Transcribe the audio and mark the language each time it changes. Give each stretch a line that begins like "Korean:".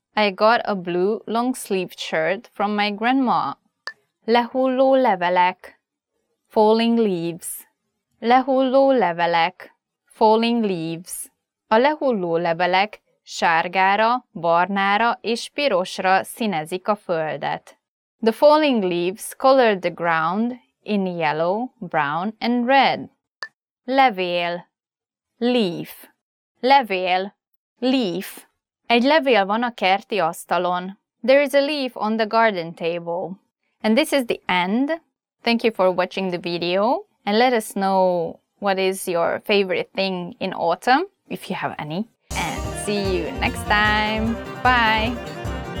English: I got a blue long-sleeved shirt from my grandma.
Hungarian: Lehulló levelek.
English: Falling leaves.
Hungarian: Lehulló levelek.
English: Falling leaves.
Hungarian: A lehulló levelek sárgára, barnára és pirosra színezik a földet.
English: The falling leaves color the ground in yellow, brown and red.
Hungarian: Levél. Leaf. Levél. Leaf. Egy levél van a kerti asztalon.
English: There is a leaf on the garden table. And this is the end. Thank you for watching the video. And let us know what is your favorite thing in autumn, if you have any. And see you next time. Bye.